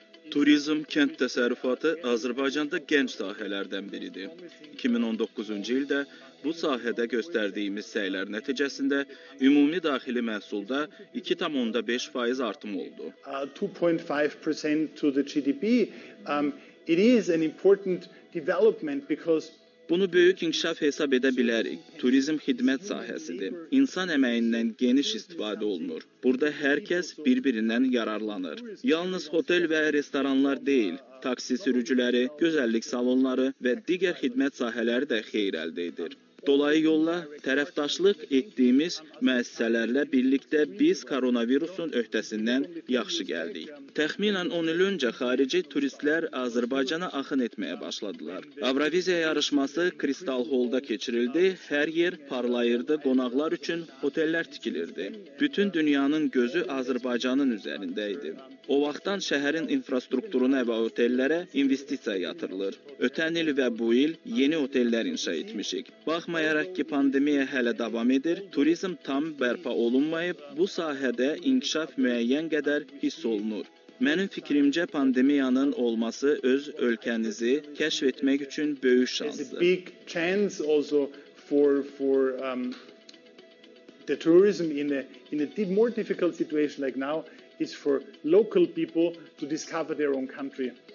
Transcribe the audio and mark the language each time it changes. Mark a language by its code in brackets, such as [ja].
[az] Turizm kənd təsərrüfatı Azərbaycanda gənc sahələrdən biridir. 2019-cu ildə bu sahədə göstərdiyimiz səylər nəticəsində ümumi daxili məhsulda 2,5% artım oldu. [en] 2.5% to the GDP. It is an important development because [az] bunu böyük inkişaf hesab edə bilərik. Turizm xidmət sahəsidir. İnsan əməyindən geniş istifadə olunur. Burada hər kəs bir-birindən yararlanır. Yalnız otel və restoranlar deyil, taksi sürücüləri, gözəllik salonları və digər xidmət sahələri də xeyir əldə edir. Dolayı yolla tərəfdaşlıq etdiyimiz müəssisələrlə birlikdə biz koronavirusun öhdəsindən yaxşı gəldik. Təxminən 10 il öncə xarici turistlər Azərbaycana axın etməyə başladılar. Avroviziya yarışması Kristal Hall'da keçirildi, hər yer parlayırdı, qonaqlar üçün otellər tikilirdi. Bütün dünyanın gözü Azərbaycanın üzərində idi. O vaxtdan şəhərin infrastrukturuna və otellərə investisiya yatırılır. Ötən il və bu il yeni otellər inşa etmişik. Baxmayaraq ki, pandemiya hələ davam edir, turizm tam bərpa olunmayıb, bu sahədə inkişaf müəyyən qədər hiss olunur. Mənim fikrimcə pandemiyanın olması öz ölkənizi kəşf etmək üçün böyük şansdır. [en] Big chance also for the tourism in a more difficult situation like now is for local people to discover their own country.